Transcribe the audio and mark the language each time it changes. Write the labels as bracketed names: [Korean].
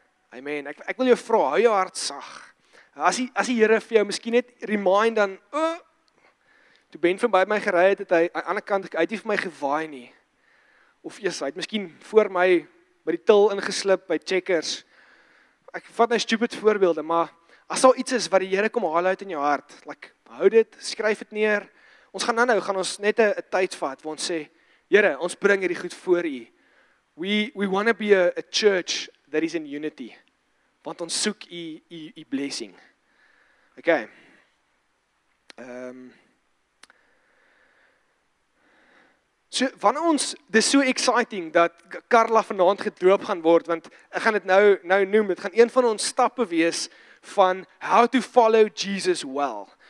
[Afrikaans] Ek wil jou vra, hou jou hart sag. As die Here vir jou miskien net remind dan, toe Ben van by my gery het, het hy aan die ander kant, hy het nie vir my gewaai nie. Of eers, hy het miskien voor my by die til ingeslip, by Checkers. Ek vat nou stupid voorbeelde, maar as daar iets is wat die Here kom haal uit in jou hart, like, hou dit, skryf dit neer. Ons gaan nou gaan ons net 'n tyd vat waar ons sê, Here, ons bring hierdie goed voor U. [English] We want to be a church that is in unity. [Afrikaans] Want ons soek U blessing. Okay. So, wanneer ons, dis so exciting dat Carla vanaand gedoop gaan word, want ek gaan dit nou noem, dit gaan een van ons stappe wees van [English] how to follow Jesus well.